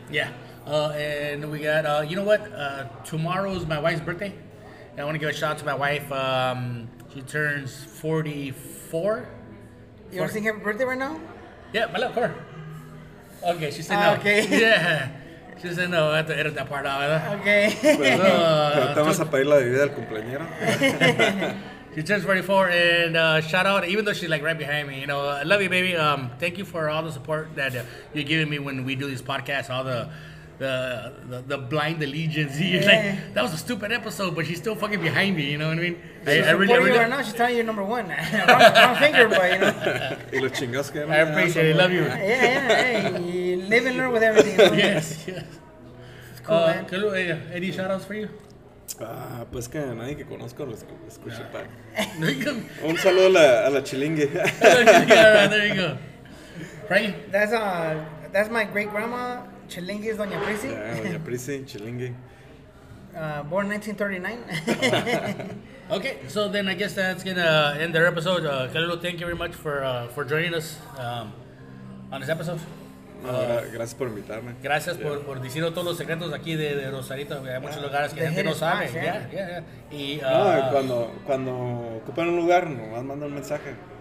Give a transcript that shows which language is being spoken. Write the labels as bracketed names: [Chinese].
[English] Yeah. And we got, you know what? Tomorrow is my wife's birthday. And I want to give a shout out to my wife. She turns 44. You want to sing happy birthday right now? Yeah, my love, her. Okay, she said no. Okay. Yeah. She said no, I have to edit that part out. Okay. [Spanish] Pero te vas a pedir la bebida al cumpleañero. [English] She turns 44, and shout out, even though she's like right behind me, you know, I love you, baby. Thank you for all the support that you're giving me when we do these podcasts, all the blind allegiance. You're like, that was a stupid episode, but she's still fucking behind me, you know what I mean? She's supporting you right now, she's telling you you're number one. wrong finger, but, you know. [Spanish] Y los chingos que [English] me. I appreciate it, love you. Yeah, hey, live and learn with everything. Yes. It's cool, man. Any shout outs for you? [Spanish] Pues que nadie que conozco lo escuche. [English] Yeah. [Spanish] Un saludo a la chilingue. [English] There you go. Frankie? That's my great grandma, chilingue is Doña Prissy. [Spanish] Yeah, Doña Prissy, chilingue. [English] Born 1939. Okay, so then I guess that's going to end their episode. Carlos, thank you very much for joining us on this episode. [Spanish] Gracias por invitarme. Gracias por decirnos todos los secretos aquí de Rosarito. Hay muchos lugares que la gente no sabe. [English] Yeah. Yeah. Yeah. Y, [Spanish] cuando ocupan un lugar, nomás mandan un mensaje.